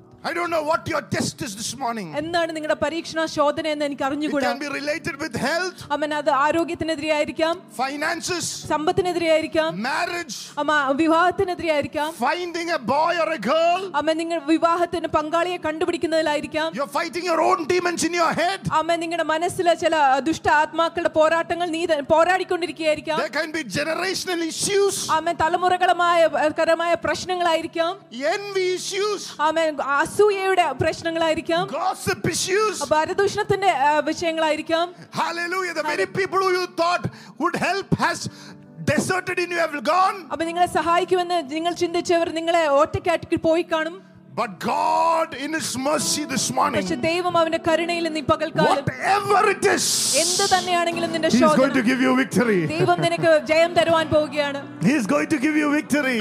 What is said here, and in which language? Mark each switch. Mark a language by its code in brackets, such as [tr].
[en] I don't know what your test is this morning. [ml] എന്താണ് നിങ്ങളുടെ പരീക്ഷണ ശോധന എന്ന് എനിക്ക് അറിഞ്ഞുകൂടാ. [en] It can be related with health. [ml] അമ്മ അത് ആരോഗ്യത്തിനെതിരെയായിരിക്കാം. [en] Finances. [ml] സമ്പത്തിനെതിരെയായിരിക്കാം. [en] Marriage. [ml] അമ്മ വിവാഹത്തിനെതിരെയായിരിക്കാം. [en] Finding a boy or a girl. [ml] അമ്മ നിങ്ങൾ വിവാഹത്തിന് പങ്കാളിയെ കണ്ടുപിടിക്കുന്നതിലായിരിക്കാം. [en] You're fighting your own demons in your head. [ml] അമ്മ നിങ്ങളുടെ മനസ്സിലെ ചില ദുഷ്ട ആത്മാക്കളുടെ പോരാട്ടങ്ങൾ നീ പോരാടിക്കൊണ്ടിരിക്കുകയായിരിക്കാം. [en] There can be generational issues. [ml] അമ്മ തലമുറകളമായ കരമായ പ്രശ്നങ്ങളായിരിക്കാം. [en] Envy issues. [ml] അമ്മ അസൂയയുടെ പ്രശ്നങ്ങളായിരിക്കാം [en] gossip issues [ml] ഭരദൂഷണത്തിന്റെ വിഷയങ്ങളായിരിക്കാം [en] hallelujah the very people who you thought would help has deserted in you have gone [ml] അപ്പോൾ നിങ്ങളെ സഹായിക്കുമെന്ന് നിങ്ങൾ ചിന്തിച്ചവർ നിങ്ങളെ ഒറ്റയ്ക്കായിട്ട് പോയി കാണും [en] But God in his mercy this morning. [ml] പക്ഷേ ദൈവം അവന്റെ കരുണയിൽ നിന്ന് ഇപ്പകൽക്കാലം [en] Whatever it is. [ml] എന്ത് തന്നെയാണെങ്കിലും നിന്റെ ശോധന. [en] He's going to give you victory. [ml] ദൈവം നിനക്ക് ജയം തരുവാൻ പോവുകയാണ്. [en] He is going to give you victory.